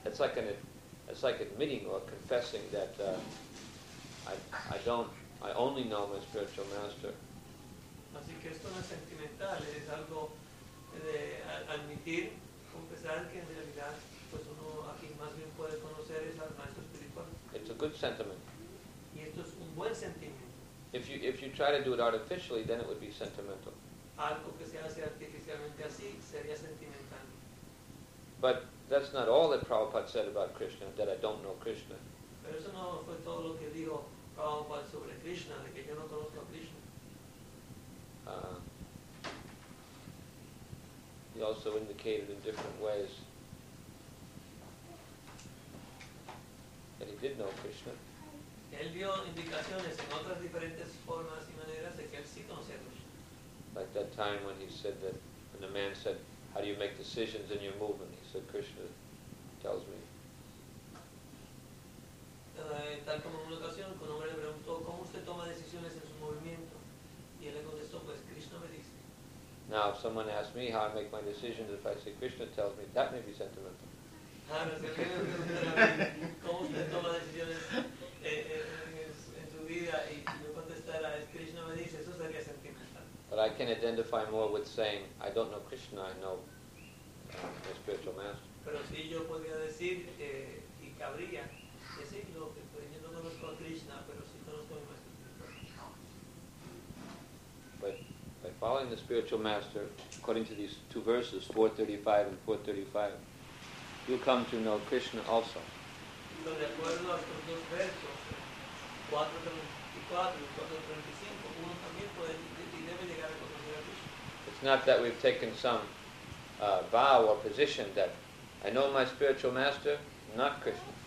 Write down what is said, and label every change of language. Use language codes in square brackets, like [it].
[en] It's like admitting or confessing that I only know my spiritual master. [es] Así que esto no es sentimental. Es algo de admitir, confesar que en realidad pues uno aquí más bien puede conocer es al maestro espiritual. [en] It's a good sentiment. [es] Y esto es un buen sentimiento. [en] If you try to do it artificially, then it would be sentimental. [es] Algo que se hace artificialmente así sería sentimental. [en] But that's not all that Prabhupada said about Krishna, that I don't know Krishna. [es] Pero eso no fue todo lo que dijo Prabhupada sobre Krishna, de que yo no conozco a Krishna. [en] He also indicated in different ways that he did know Krishna. [es] Él dio indicaciones en otras diferentes formas y maneras de que él sí conocía a Krishna. [en] Like that time when he said that, when the man said, how do you make decisions in your movement? He said, Krishna tells me. [es] Tal como en una ocasión, un hombre le preguntó, ¿cómo usted toma decisiones en su movimiento? Y él le contestó, pues Krishna me dice. [en] Now, if someone asks me how I make my decisions, if I say Krishna tells me, that may be sentimental. [es] Claro, si alguien me pregunta, ¿cómo usted toma decisiones en su vida? Y yo contestara, es Krishna me dice, eso sería sentimental. [en] But I can identify more with saying, I don't know Krishna, I know my spiritual master. [es] Pero sí, yo podría decir, y cabría, decirlo, que yo no conozco a Krishna, pero sí conozco a mi maestro espiritual. [en] following the spiritual master, according to these two verses, 435 and 435, you'll come to know Krishna also. It's not that we've taken some vow or position that I know my spiritual master, not Krishna.